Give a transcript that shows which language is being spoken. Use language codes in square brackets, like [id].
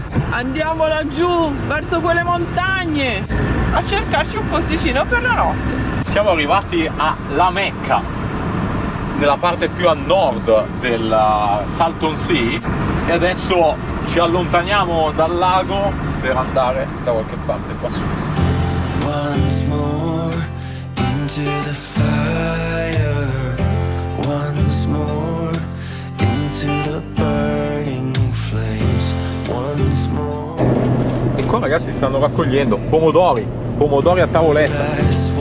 [it] Andiamo laggiù verso quelle montagne a cercarci un posticino per la notte. Siamo arrivati a La Mecca, nella parte più a nord del Salton Sea, e adesso ci allontaniamo dal lago per andare da qualche parte qua su. [en] Once more into the fire, once more into the burning flames, once more. [it] E qua ragazzi stanno raccogliendo pomodori a tavoletta.